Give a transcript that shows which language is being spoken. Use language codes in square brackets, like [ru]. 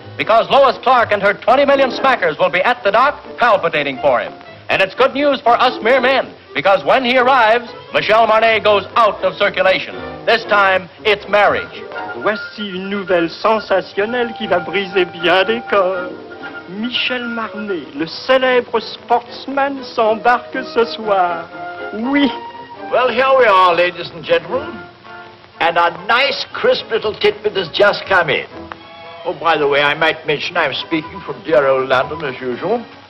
[en] Because Lois Clarke and her 20 million smackers will be at the dock palpitating for him. And it's good news for us mere men, because when he arrives, Michel Marnay goes out of circulation. This time, it's marriage. [fr] Voici une nouvelle sensationnelle qui va briser bien des corps. Michel Marnay, le célèbre sportsman, s'embarque ce soir. Oui. [en] Well, here we are, ladies and gentlemen. And a nice, crisp little tidbit has just come in. Oh, by the way, I might mention I'm speaking from dear old London, as usual.